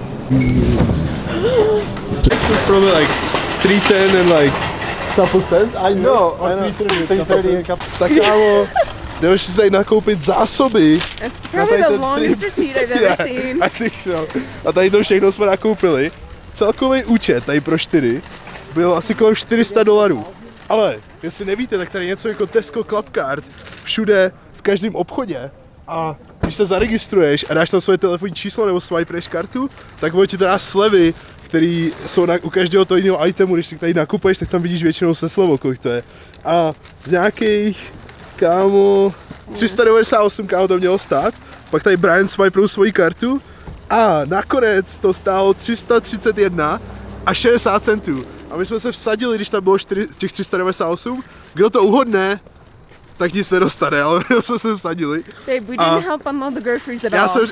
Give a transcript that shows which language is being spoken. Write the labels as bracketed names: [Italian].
[English] This is probably like 310 and like couple cents. I know. No, 330 and couple cents. [Czech] Tak kámo, jdeme si tady nakoupit zásoby. [English] That's probably the longest receipt I've ever seen. I think so. [Czech] A tady to všechno jsme nakoupili. Celkový účet tady pro 4 byl asi kolem $400. Ale jestli nevíte, tak tady něco jako Tesco Club Card všude v každém obchodě. A když se zaregistruješ a dáš tam svoje telefonní číslo nebo swipeš kartu, tak bude ti teda slevy, které jsou na, u každého toho jiného itemu, když si tady nakupuješ, tak tam vidíš většinou se slevou, kolik to je. A z nějakých, kámo, 398, kámo, to mělo stát, pak tady Brian swipenul svoji kartu a nakonec to stálo 331,60 centů. A my jsme se vsadili, když tam bylo těch 398, kdo to uhodne, tak nic nedostane, ale jenom jsme se vsadili. [English] Babe, we didn't help unload the groceries at all.